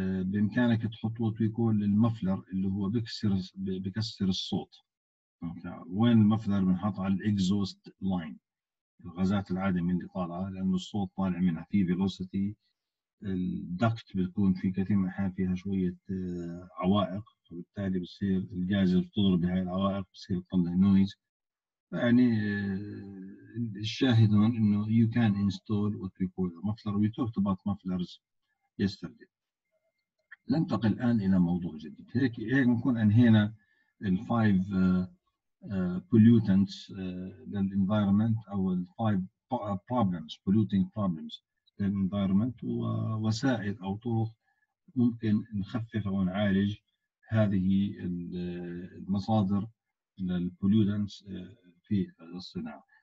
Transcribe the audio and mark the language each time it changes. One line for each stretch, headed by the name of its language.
Arabic: بامكانك تحط وتيكول للمفلر اللي هو بكسر الصوت، وين المفلر بنحط على الاكزوست لاين الغازات العادم اللي طالعه، لانه الصوت طالع منها في فيلوسيتي، الدكت بتكون في كثير من الاحيان فيها شويه عوائق، وبالتالي بصير الغاز بتضرب بهاي العوائق بصير تطلع نويز. يعني الشاهد هون انه
English: you can install what we call a muffler. We talked about mufflers yesterday.
Arabic: ننتقل الان الى موضوع جديد. هيك نكون انهينا الفايف pollutants للانفايرمنت او الفايف
English: problems polluting problems
Arabic: للانفايرمنت، ووسائل او طرق ممكن نخفف او نعالج هذه المصادر للpollutants في الصناعة.